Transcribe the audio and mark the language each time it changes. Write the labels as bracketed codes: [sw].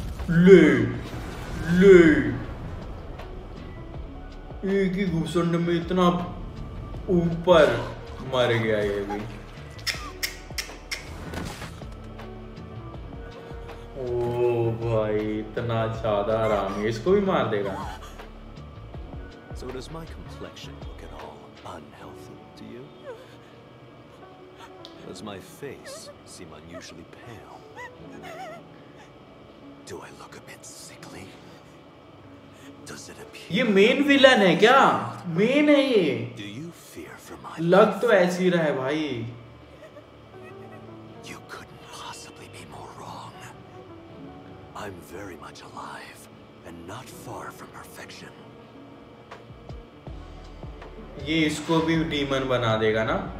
[hi] ले ले एक ही घुसंड में इतना ऊपर मर गया ये भी। ओ भाई इतना ज्यादा आराम है, इसको भी मार देगा। [en] So does my complexion look at all unhealthy to you? Does my face seem unusually pale? Do I look a bit sickly? Does it appear? [hi] ये main villain है क्या? Main है ये? [en] Do you fear for my life? [hi] लग तो ऐसे ही रहा है भाई। [en] You couldn't possibly be more wrong. I'm very much alive and not far from perfection. [hi] ये इसको भी डीमन बना देगा ना।